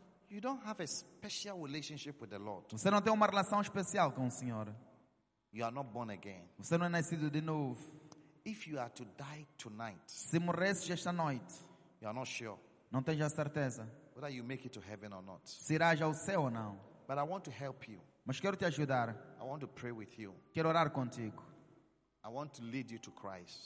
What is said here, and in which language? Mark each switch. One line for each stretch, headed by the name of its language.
English: you don't have a special relationship with the Lord.
Portuguese: Você não tem uma relação especial com o Senhor.
English: You are not born again.
Portuguese: Você não é nascido de novo.
English: If you are to die tonight,
Portuguese: se morresse esta noite,
English: you are not sure.
Portuguese: Não tens a certeza.
English: Whether you make it to heaven or not.
Portuguese: Se irás ao céu ou não.
English: But I want to help you.
Portuguese: Mas quero te ajudar.
English: I want to pray with you.
Portuguese: Quero orar contigo.
English: I want to lead you to Christ.